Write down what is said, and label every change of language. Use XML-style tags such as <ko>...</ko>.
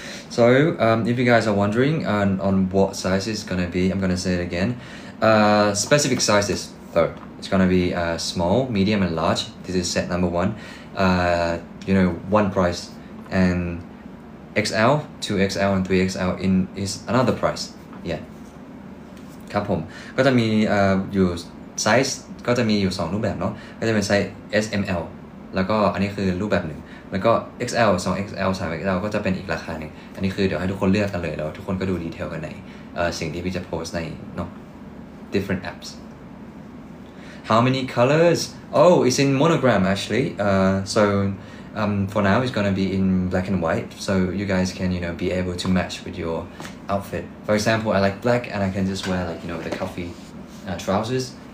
<en>So, if you guys are wondering on what size it's gonna be, I'm gonna say it again. Specific sizes, though. It's gonna be small, medium, and large. This is set number one. You know, one price, and XL, 2XL, and 3XL in is another price. Yeah.</en> <th>ครับผมก็จะมีอยู่ไซส์ก็จะมีอยู่สองรูปแบบเนาะก็จะเป็นไซส์ S M L แล้วก็อันนี้คือรูปแบบหนึ่งแล้วก็ XL 2XL 3XL ก็จะเป็นอีกราคาหนึ่งอันนี้คือเดี๋ยวให้ทุกคนเลือกกันเลยแล้วทุกคนก็ดูดีเทลกันในสิ่งที่พี่จะโพสในเนาะ</th> <en>different appsHow many colors? Oh, it's in monogram actually. For now it's gonna be in black and white. So you guys can, you know, be able to match with your outfit. For example, I like black and I can just wear like, you know, the cuffy trousers.</en>